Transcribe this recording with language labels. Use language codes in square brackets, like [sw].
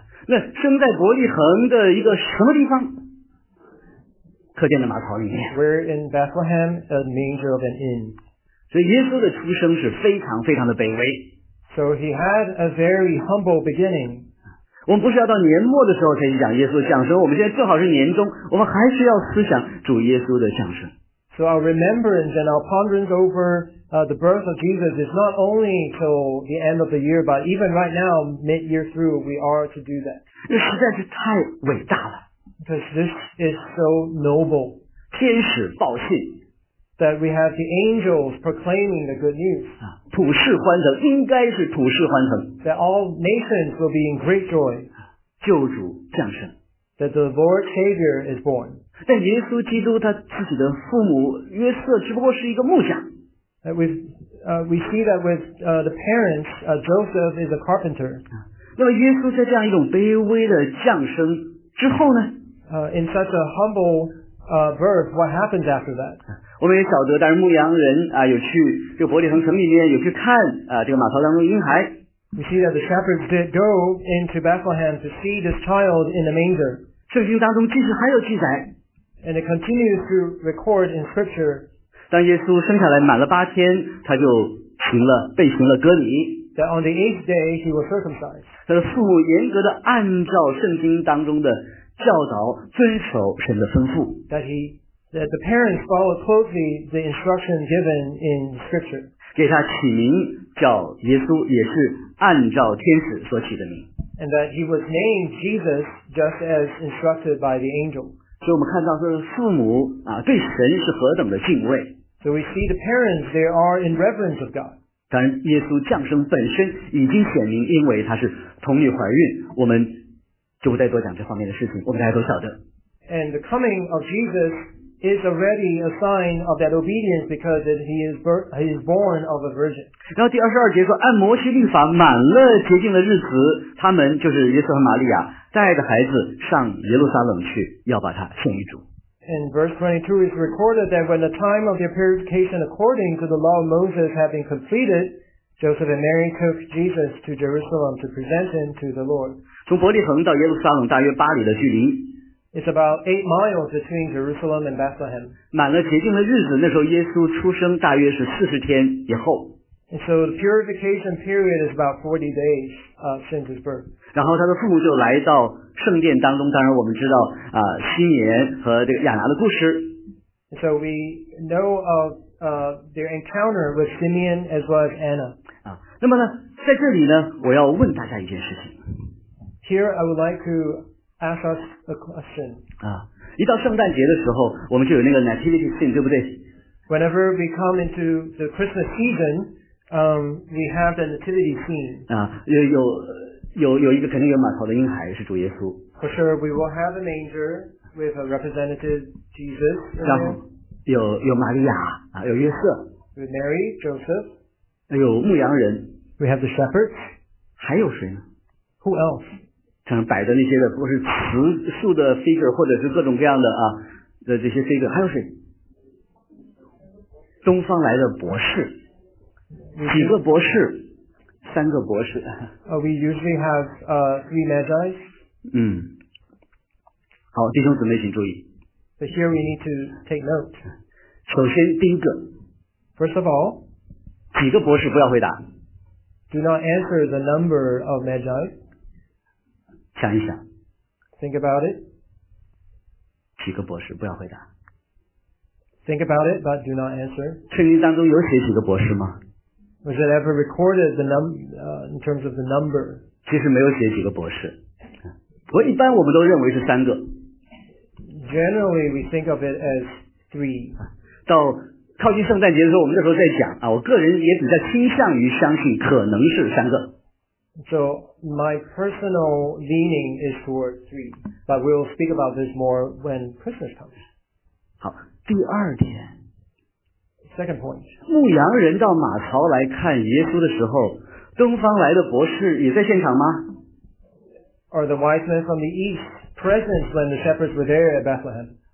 [zh] 那生在伯利恒的一个什么地方客店的马槽里面 [en] where in Bethlehem a manger of an inn [zh] 所以耶稣的出生是非常非常的卑微 [en] so he had a very humble beginning [zh] 我们不是要到年末的时候才去讲耶稣的降生我们现在正好是年中我们还是要思想主耶稣的降生 [en] So our remembrance and our ponderance over the birth of Jesus is not only till the end of the year but even right now mid-year through we are to do that [zh] 这实在是太伟大了 [en] Because this is so noble [zh] 天使报信 [en] That we have the angels proclaiming the good news [zh] 啊普世欢腾应该是普世欢腾 [en] that all nations will be in great joy [zh] 救主降生 [en] that the Lord Savior is born [zh] 但耶稣基督他自己的父母约瑟只不过是一个木匠 [en] we see that with the parents Joseph is a carpenter [zh] 那么耶稣在这样一种卑微的降生之后呢 [en] in such a humble birth what happens after that [zh] 我们也晓得，当然牧羊人啊，有去这个伯利恒城里面有去看啊，这个马槽当中的婴孩。 [en] We see that the shepherds did go into Bethlehem to see this child in the manger. [zh] 圣经当中继续还有记载。 [en] And it continues to record in scripture. [zh] 当耶稣生下来满了八天，他就被行了割礼。 [en] That on the eighth day he was circumcised. [zh] 他的父母严格的按照圣经当中的教导，遵守神的吩咐。 [en] That the parents followed closely the instruction given in scripture. [zh] 给他起名叫耶稣，也是按照天使所起的名。 [en] And that he was named Jesus just as instructed by the angel. [zh] 所以我们看到这个父母啊，对神是何等的敬畏。 [en] So we see the parents, they are in reverence of God. [zh] 当然耶稣降生本身已经显明，因为他是童女怀孕，我们就不再多讲这方面的事情，我们大家都晓得。 [en] And the coming of Jesus is already a sign of that obedience because he is born of a virgin. [zh] 然后第22节说按摩西律法满了洁净的日子他们就是耶稣和玛利亚带着孩子上耶路撒冷去，要把他献给主。 [en] In verse 22 is recorded that when the time of their purification according to the law of Moses had been completed, Joseph and Mary took Jesus to Jerusalem to present him to the Lord. [zh] 从伯利恒到耶路撒冷大约八里的距离。 [en] It's about 8 miles between Jerusalem and Bethlehem. [zh] 满了洁净的日子，那时候耶稣出生大约是40天以后。 [en] And so the purification period is about 40 days since his birth. [zh] 然后他的父母就来到圣殿当中，当然我们知道西缅和这个亚拿的故事。 [en] And so we know of their encounter with Simeon as well as Anna. [zh] 那么呢，在这里呢，我要问大家一件事情。 [en] Here I would like to ask us a question. [zh] 一到圣诞节的时候，我们就有那个 nativity scene， 对不对？ [en] Whenever we come into the Christmas season, we have the nativity scene. [zh] 有一个肯定有马槽的婴孩是主耶稣。 [en] For sure, we will have a manger with a representative Jesus. [zh] 然后有玛利亚有约瑟。 [en] With Mary, Joseph. [zh] 有牧羊人。 [en] We have the shepherds. [zh] 还有谁呢？ [en] Who else? [zh] 可能摆的那些的不是雌树的 figure 或者是各种各样的的这些 figure， 还有谁？东方来的博士，几个博士，三个博士。 [en] We usually have three magi. [zh] 好，弟兄姊妹请注意。 [en] But here we need to take note. [zh] 首先第一个。 [en] First of all， [zh] 几个博士不要回答。 [en] Do not answer the number of magi. [zh] 想一想 [en] ，Think about it。 [zh] 几个博士不要回答。 [en] Think about it, but do not answer。 [zh] 圣经当中有写几个博士吗 [en] ？Was it ever recorded the in terms of the number？ [zh] 其实没有写几个博士，不过一般我们都认为是三个。 [en] Generally, we think of it as three。 [zh] 到靠近圣诞节的时候，我们那时候在讲我个人也比较倾向于相信可能是三个。 [en] So my personal leaning is toward three, but we'll speak about this more when Christmas comes. [zh] 好，第二点。 [en] Second point. [zh] 牧羊人到马槽来看耶稣的时候，东方来的博士也在现场吗？ [en] Are the wise men from the east present when the shepherds were there at Bethlehem?